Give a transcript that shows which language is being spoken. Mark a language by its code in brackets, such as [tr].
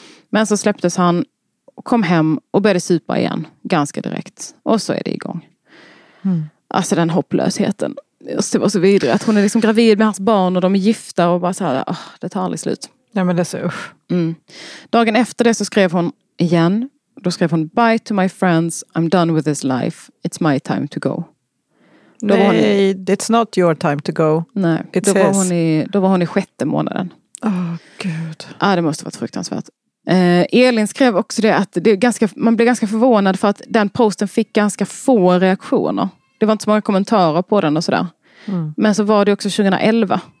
[sv] Men så släpptes han, kom hem och började supa igen ganska direkt. Och så är det igång. Mm. Alltså den hopplösheten. Det var så vidrig att hon är liksom gravid med hans barn och de är gifta och bara så här, det tar aldrig slut. Ja, men det är så. Dagen efter det så skrev hon igen. Då skrev hon: [en] "Bye to my friends, I'm done with this life. It's my time to go." [sv] Då nej, hon, [en] it's not your time to go. [sv] Nej, då var, hon i, då var hon i sjätte månaden. Åh, gud. Ja, det måste ha varit fruktansvärt. Elin skrev också det att det är ganska, man blev ganska förvånad för att den posten fick ganska få reaktioner. Det var inte så många kommentarer på den och sådär. Mm. Men så var det också 2011.